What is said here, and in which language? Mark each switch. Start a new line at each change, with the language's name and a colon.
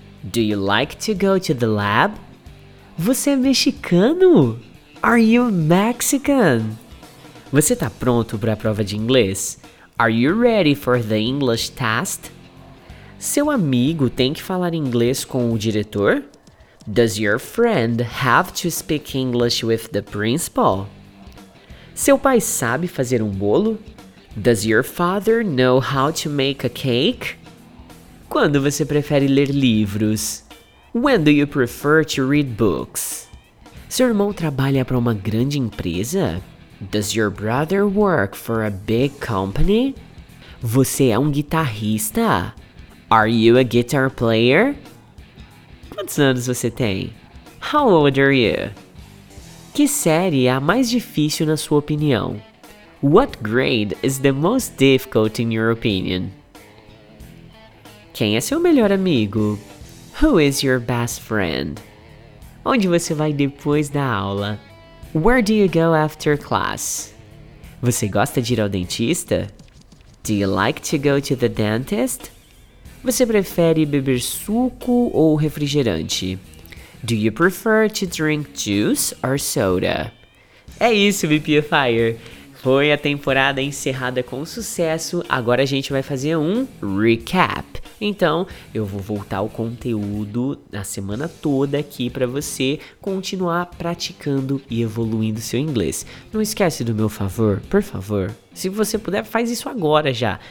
English: Do you like to go to the lab?
Portuguese: Você é mexicano?
English: Are you Mexican?
Portuguese: Você tá pronto para a prova de inglês?
English: Are you ready for the English test?
Portuguese: Seu amigo tem que falar inglês com o diretor?
English: Does your friend have to speak English with the principal?
Portuguese: Seu pai sabe fazer um bolo?
English: Does your father know how to make a cake?
Portuguese: Quando você prefere ler livros?
English: When do you prefer to read books?
Portuguese: Seu irmão trabalha para uma grande empresa?
English: Does your brother work for a big company?
Portuguese: Você é um guitarrista?
English: Are you a guitar player?
Portuguese: Quantos anos você tem?
English: How old are you?
Portuguese: Que série é a mais difícil na sua opinião?
English: What grade is the most difficult in your opinion?
Portuguese: Quem é seu melhor amigo?
English: Who is your best friend?
Portuguese: Onde você vai depois da aula?
English: Where do you go after class?
Portuguese: Você gosta de ir ao dentista?
English: Do you like to go to the dentist?
Portuguese: Você prefere beber suco ou refrigerante?
English: Do you prefer to drink juice or soda?
Portuguese: É isso, VPFire! Foi a temporada encerrada com sucesso, agora a gente vai fazer um recap. Então, eu vou voltar o conteúdo na semana toda aqui para você continuar praticando e evoluindo seu inglês. Não esquece do meu favor, por favor. Se você puder, faz isso agora já.